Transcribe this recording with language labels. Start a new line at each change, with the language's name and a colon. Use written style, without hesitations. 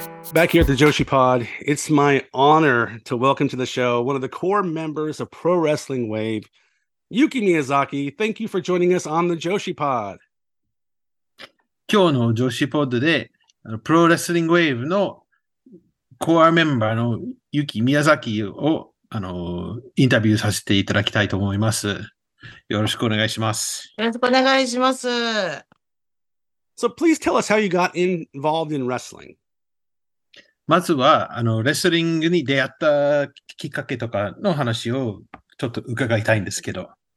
English: Back here at the Joshi Pod, it's my honor to welcome to the show one of the core members of Pro Wrestling Wave, Yuki Miyazaki. Thank you for joining us on the Joshi Pod.
Japanese: 今日のジョシポッドで、プロレスリングウェーブのコアメンバーのユキ・ミヤザキをインタビューさせていただきたいと思います。よろしくお願いします。よろしくお願いします。
English: So please tell us how you got involved in wrestling.
Japanese: まずはレスリングに出会ったきっかけとかの話をちょっと伺いたいんですけど。